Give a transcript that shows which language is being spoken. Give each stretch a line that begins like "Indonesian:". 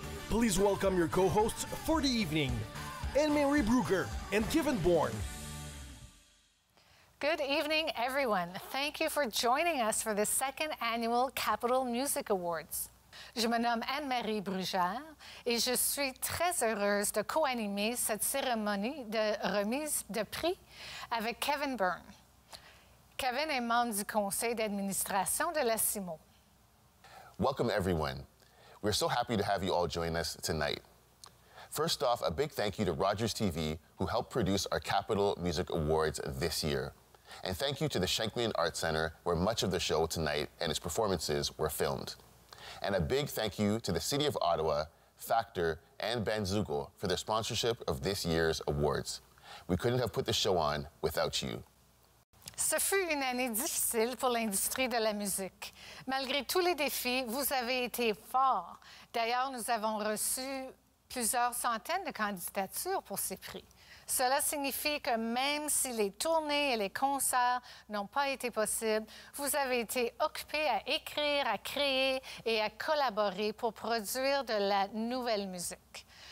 English: Please welcome your co-hosts for the evening, Anne-Marie Bruger and Kevin Bourne. Good evening, everyone. Thank you for joining us for the second annual Capital Music Awards.
French: Je me nomme Anne-Marie Bruger et je suis très heureuse de co-animer cette cérémonie de remise de prix avec Kevin Bourne. Kevin est membre du conseil d'administration de la CIMO.
English: Welcome, everyone. We're so happy to have you all join us tonight. First off, a big thank you to Rogers TV, who helped produce our Capital Music Awards this year. And thank you to the Shanklian Arts Center, where much of the show tonight and its performances were filmed. And a big thank you to the City of Ottawa, Factor, and Banzugo for their sponsorship of this year's awards. We couldn't have put the show on without you.
French: Ce fut une année difficile pour l'industrie de la musique. Malgré tous les défis, vous avez été forts. D'ailleurs, nous avons reçu plusieurs centaines de candidatures pour ces prix. Cela signifie que même si les tournées et les concerts n'ont pas été possibles, vous avez été occupés à écrire, à créer et à collaborer pour produire de la nouvelle musique.